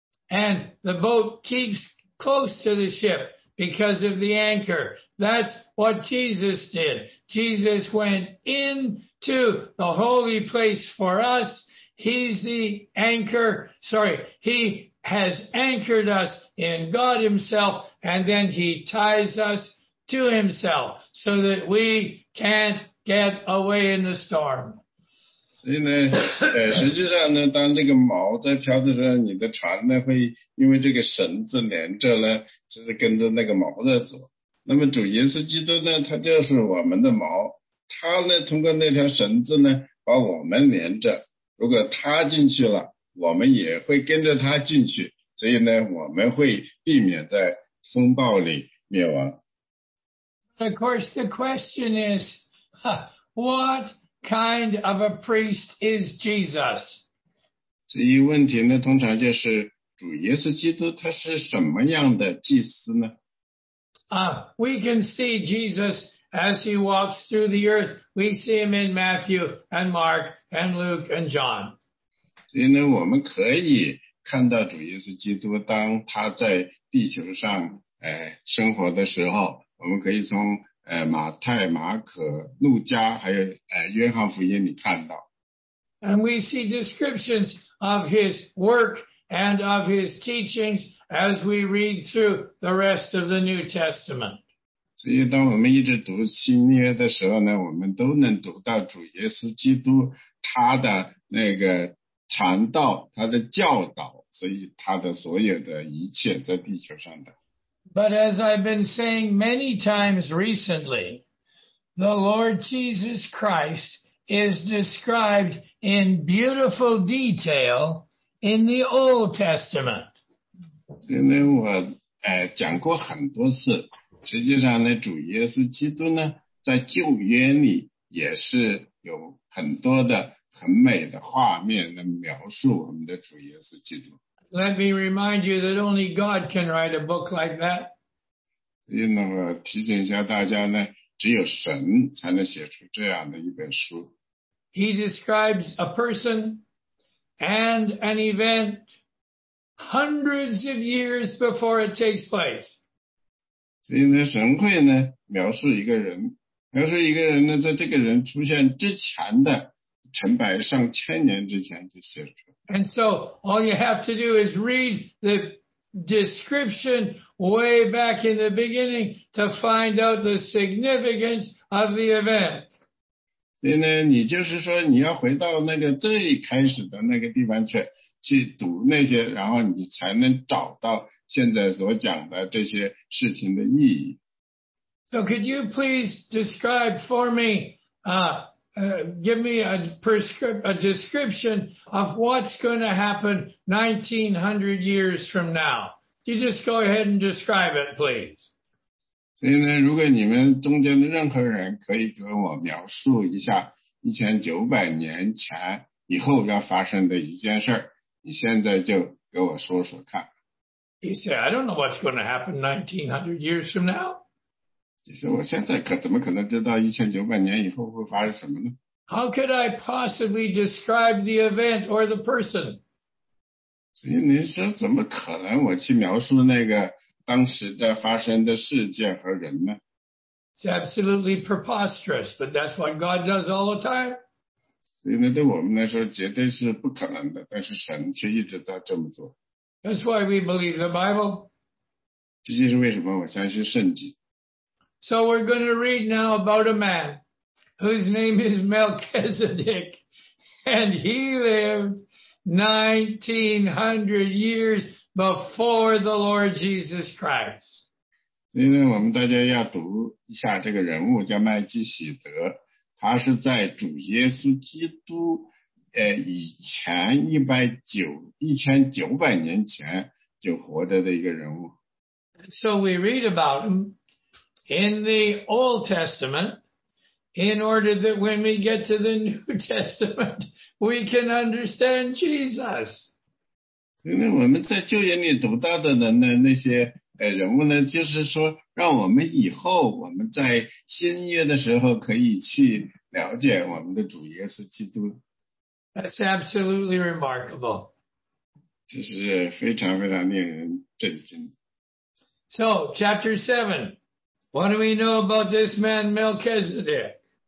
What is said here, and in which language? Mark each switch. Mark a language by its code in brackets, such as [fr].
[en] And the boat keeps close to the ship because of the anchor. That's what Jesus did. Jesus went into the holy place for us. He's the anchor. Sorry, he has anchored us in God himself. And then he ties us to himself so that we can't get away in the storm. [zh] 所以呢，实际上呢，当这个锚在飘的时候，你的船呢会因为这个绳子连着呢，就是跟着那个锚在走。那么主耶稣基督呢，他就是我们的锚，他呢通过那条绳子呢把我们连着。如果他进去了，我们也会跟着他进去。所以呢，我们会避免在风暴里灭亡。 [en] Of course, the question is, What kind of a priest is Jesus? [zh] 至于问题呢，通常就是主耶稣基督他是什么样的祭司呢？ [en] We can see Jesus as he walks through the earth. We see him in Matthew and Mark and Luke and John. [zh] 所以呢，我们可以看到主耶稣基督当他在地球上生活的时候，我们可以从马太、马可、路加还有约翰福音里看到。 [en] And we see descriptions of his work and of his teachings as we read through the rest of the New Testament. [zh] 所以当我们一直读新约的时候呢，我们都能读到主耶稣基督他的那个传道，他的教导，所以他的所有的一切在地球上的。 [en] But as I've been saying many times recently, the Lord Jesus Christ is described in beautiful detail in the Old Testament. [zh] 所以呢，我讲过很多次，实际上呢，主耶稣基督呢，在旧约里也是有很多的很美的画面来描述我们的主耶稣基督。 [en] Let me remind you that only God can write a book like that. [zh] 所以呢，我提醒一下大家呢，只有神才能写出这样的一本书。 [en] He describes a person and an event hundreds of years before it takes place. [zh] 所以呢，神会呢，描述一个人，描述一个人呢，在这个人出现之前的成百上千年之前就写出。 [en] And so all you have to do is read the description way back in the beginning to find out the significance of the event. [zh] 所以呢，你就是说你要回到那个最开始的那个地方去读那些，然后你才能找到现在所讲的这些事情的意义。 [en] So could you please describe for me, give me a description of what's going to happen 1900 years from now. You just go ahead and describe it, please. [zh] 所以呢，如果你们中间的任何人可以给我描述一下1900年前以后要发生的一件事，你现在就给我说说看。 [en] You say, I don't know what's going to happen 1900 years from now. [zh] 其实我现在怎么可能知道1900年以后会发生什么呢？ [en] How could I possibly describe the event or the person? [zh] 所以你说怎么可能我去描述那个当时的发生的事件和人呢？ [en] It's absolutely preposterous, but that's what God does all the time. [zh] 所以呢，对我们来说绝对是不可能的，但是神却一直在这么做。 [en] That's why we believe the Bible. [zh] 这就是为什么我相信圣经。 [en] So we're going to read now about a man whose name is Melchizedek, and he lived 1900 years before the Lord Jesus Christ. [zh] 今天我们大家要读一下这个人物叫麦基洗德，他是在主耶稣基督以前1900年前就活着的一个人物。 [en] So we read about him. In the Old Testament, in order that when we get to the New Testament, we can understand Jesus. [zh] 所以我们在旧约里读到的那些人物呢，就是说让我们以后我们在新约的时候可以去了解我们的主耶稣基督。 [en] That's absolutely remarkable. [zh] 这是非常非常令人震惊。 [en] So, chapter 7. What do we know about this man, Melchizedek?